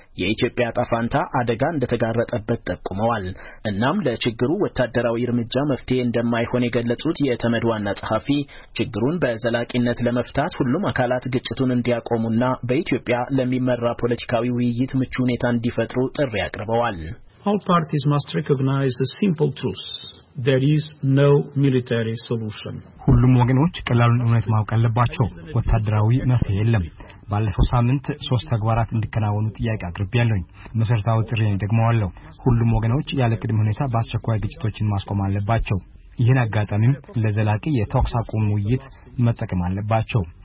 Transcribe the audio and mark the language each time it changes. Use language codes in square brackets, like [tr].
[am] የኢትዮጵያ ጣፋንታ አደጋ እንደተጋረጠበት ጠቁመዋል። እናም ለችግሩ ወታደራዊ እርምጃ መፍትሄ እንደማይሆን የገለጹት የተመድዋና ጸሐፊ ችግሩን በዘላቂነት ለመፍታት ሁሉም አካላት ግጭቱን እንዲያቆሙና በኢትዮጵያ ለሚመራ ፖለቲካዊ ውይይት ምቹ ሁኔታ እንዲፈጥሩ ጥሪ አቅርበዋል። [en] All parties must recognize a simple truth. There is no military solution. [am] ሁሉም ወገኖች ቀላሉን እውነት ማወቅ አለባቸው። ወታደራዊ መፍትሄ የለም። ባለፈው ሳምንት ሶስት ተግባራት እንዲከናወኑ ጥያቄ አቅርቤያለሁ። መሰረታዊ ጥሪዬን ደግመዋለሁ። ሁሉም ወገኖች ያለ ቅድመ ሁኔታ በአስቸኳይ ግጭቶችን ማስቆም አለባቸው። ይህን አጋጣሚም ለዘላቂ የተኩስ አቁም ውይይት መጠቀም አለባቸው።